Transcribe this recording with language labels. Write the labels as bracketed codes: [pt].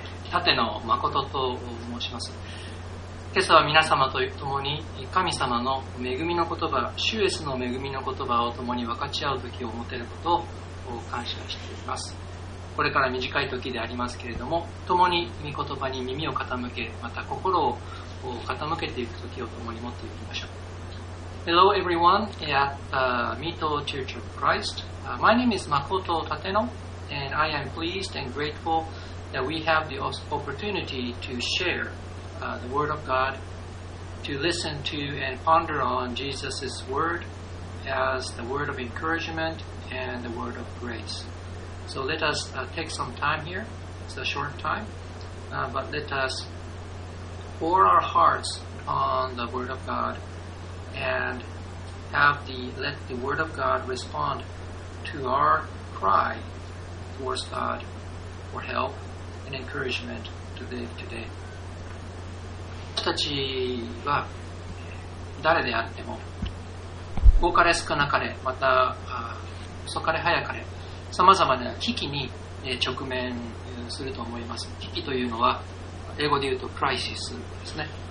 [ja] 舘野誠と申します。今朝は皆様と共に神様の恵みの言葉、主イエスの恵みの言葉を共に分かち合う時を持てることを感謝しています。これから短い時でありますけれども、共に御言葉に耳を傾け、また心を傾けていく時を共に持っていきましょう。 [en] Hello everyone at Mito Church of Christ. My name is Makoto Tateno, and I am pleased and grateful that we have the opportunity to share the Word of God, to listen to and ponder on Jesus' Word as the Word of encouragement and the Word of grace. So let us take some time here. It's a short time, but let us pour our hearts on the Word of GodAnd let the Word of God respond to our cry towards God for help and encouragement to live today. [ja] 私たちは誰であっても、多かれ少なかれ、また遅かれ早かれ、さまざまな危機に直面すると思います。危機というのは、英語で言うとクライシスですね。